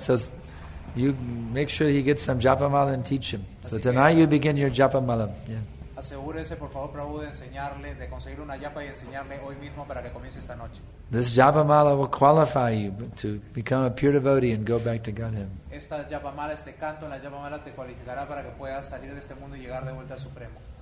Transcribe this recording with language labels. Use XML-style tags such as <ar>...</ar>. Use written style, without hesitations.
<en>So you make sure he gets some japa mala and teach him. So</en> <es>así</es> <en>tonight</en> <es>que,</es> <en>you begin your japa mala. Yeah.</en> <es>Asegúrese, por favor, Prabhu, de enseñarle, de conseguir una japa y enseñarle hoy mismo para que comience esta noche.</es> <en>This japa mala will qualify you to become a pure devotee and go back to Godhead.</en> <es>Esta japa mala, este canto en la japa mala, te cualificará para que puedas salir de este mundo y llegar de vuelta al Supremo.</es>